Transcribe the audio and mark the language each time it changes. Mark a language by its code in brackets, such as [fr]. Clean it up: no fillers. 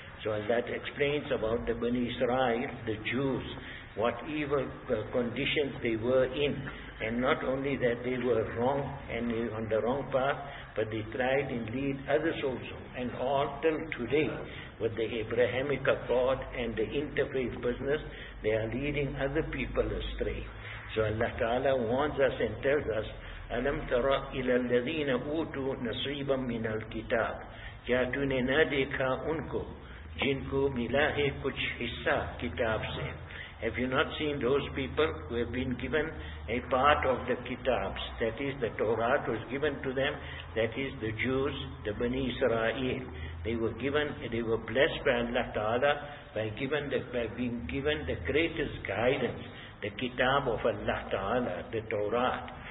[en] So that explains about the Bani Israel, the Jews, what evil conditions they were in. And not only that they were wrong and on the wrong path, but they tried and lead others also. And all till today, with the Abrahamic Accord and the interfaith business, they are leading other people astray. So Allah Ta'ala warns us and tells us, [ar] أَلَمْ تَرَ إِلَى الَّذِينَ أُوتُوا نَصِيبًا مِنَ الْكِتَابِ [ur] کیا تُو نے نہ دیکھا ان کو جن کو ملا ہے کچھ حصہ کتاب سے. [en] Have you not seen those people who have been given a part of the kitabs? That is, the Torah was given to them, that is the Jews, the Bani Israel. They were blessed by Allah Ta'ala by being given the greatest guidance, the kitab of Allah Ta'ala, the Torah.